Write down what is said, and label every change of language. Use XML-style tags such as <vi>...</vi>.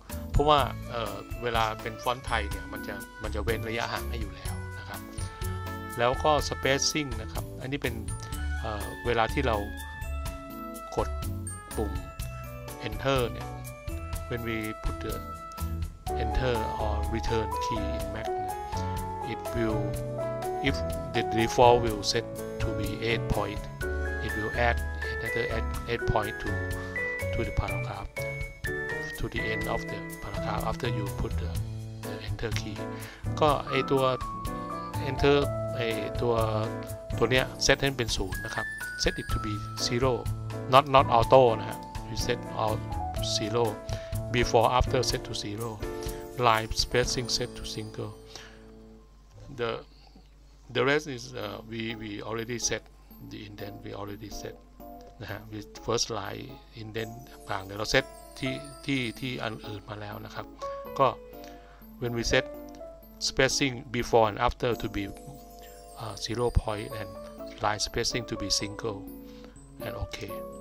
<th>เพราะว่าเวลาเป็นฟอนต์ไทยเนี่ยมันจะเว้นระยะห่างให้อยู่แล้วนะครับแล้วก็ spacing นะครับอันนี้เป็น เวลาที่เรากดปุ่ม enter เนี่ย</th> <en>when we put theEnter or return key in Mac. It will, if the default will set to be 8 point, it will add another 8 point to the paragraph, to the end of the paragraph after you put the Enter key.</en> <th>ก็ไอตัว Enter ไอตัวเนี้ย</th> <en>set</en> <th>ให้เป็น0นะครับ</th> <en>set it to be 0 not auto นะฮะ reset all 0 before after set to 0Line spacing set to single. The rest is we already set the indent. We already set นะฮะ with first line indent</en> <th>กลางเนี่ยเราเซตที่อันอื่นมาแล้วนะครับก็</th> <en>when we set spacing before and after to be zero point and line spacing to be single and okay.</en>